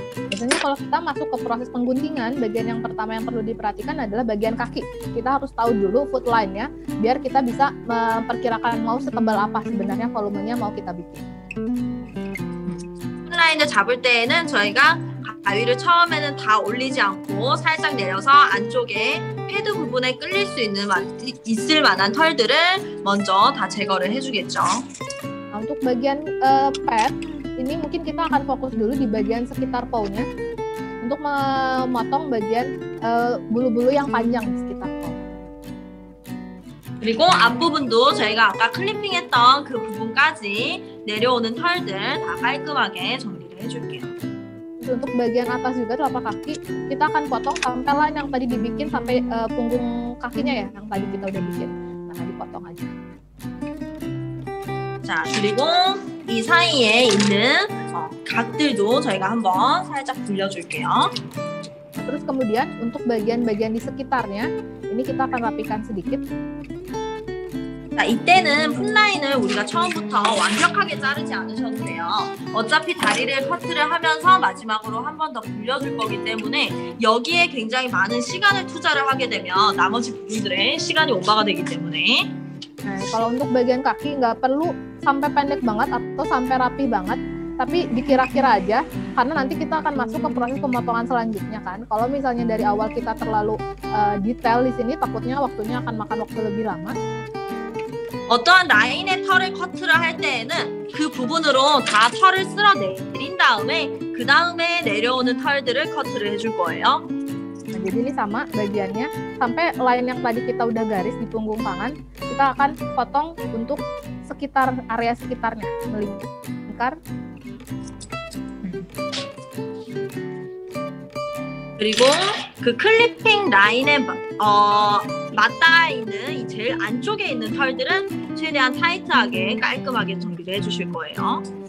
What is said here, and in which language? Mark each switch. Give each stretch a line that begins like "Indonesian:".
Indonesian: Biasanya kalau kita masuk ke proses pengguntingan, bagian yang pertama yang perlu diperhatikan adalah bagian kaki. Kita harus tahu dulu foot line-nya biar kita bisa memperkirakan mau setebal apa sebenarnya volumenya mau kita bikin.
Korean: Foot line-nya 잡을 때에는 저희가 가위를 처음에는 다 올리지 않고 살짝 내려서 안쪽에 패드 부분에 끌릴 수 있는 있을 만한 털들을 먼저 다 제거를 해주겠죠.
Indonesian: 아, untuk bagian pad ini mungkin kita akan fokus dulu di bagian sekitar paw-nya untuk memotong bagian bulu-bulu yang panjang di sekitar paw.
Korean: 그리고 앞부분도 저희가 아까 클리핑했던 그 부분까지 내려오는 털들 다 깔끔하게 정리를 해줄게요.
Indonesian: Untuk bagian atas juga telapak kaki kita akan potong sampai line yang tadi dibikin sampai punggung kakinya ya yang tadi kita udah bikin. Nah, dipotong aja.
Korean: 자, 그리고 이 사이에 있는 각들도 저희가 한번 살짝 불려 줄게요.
Indonesian: Terus kemudian untuk bagian-bagian di sekitarnya ini kita akan rapikan sedikit.
Korean: 자, 이때는 풋라인을 우리가 처음부터 완벽하게 자르지 않으셔도 돼요. 어차피 다리를 커트를 하면서 마지막으로 한 번 더 불려줄 거기 때문에 여기에 굉장히 많은 시간을 투자를 하게 되면 나머지 부분들의 시간이 오버가 되기 때문에.
Indonesian: 네, kalau untuk bagian kaki nggak perlu sampai pendek banget atau sampai rapi banget. Tapi dikira-kira aja, karena nanti kita akan masuk ke proses pemotongan selanjutnya kan. Kalau misalnya dari awal kita terlalu detail di sini, takutnya waktunya akan makan waktu lebih lama.
Korean: 어떠한 라인의 털을 커트를 할 때에는 그 부분으로 다 털을 쓸어 내린 다음에 그 다음에 내려오는 털들을 커트를 해줄 거예요.
Indonesian: Nah, jadi ini sama bagiannya sampai line yang tadi kita udah garis di punggung tangan kita akan potong untuk sekitar area sekitarnya melingkar.
Korean: 그리고 그 클리핑 라인에 맞닿아 있는 이 제일 안쪽에 있는 털들은 최대한 타이트하게 깔끔하게 정리를 해주실 거예요.